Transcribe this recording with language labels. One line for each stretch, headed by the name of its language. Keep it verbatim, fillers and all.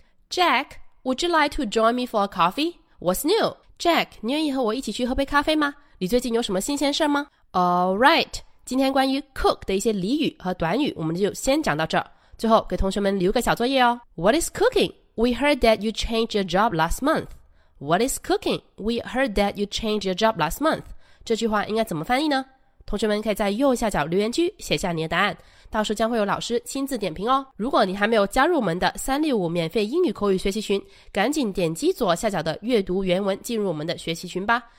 English: Jack, would you like to join me for a coffee? What's new? Jack,
Chinese: 你愿意和我一起去喝杯咖啡吗？你最近有什么新鲜事吗？
English: All right.
Chinese: 今天关于 cook 的一些俚语和短语，我们就先讲到这儿。最后给同学们留个小作业哦。
English: What is cooking? We heard that you changed your job last month. What is cooking? We heard that you changed your job last month.
Chinese: 这句话应该怎么翻译呢？同学们可以在右下角留言区写下你的答案，到时将会有老师亲自点评哦。如果你还没有加入我们的三六五免费英语口语学习群，赶紧点击左下角的阅读原文进入我们的学习群吧。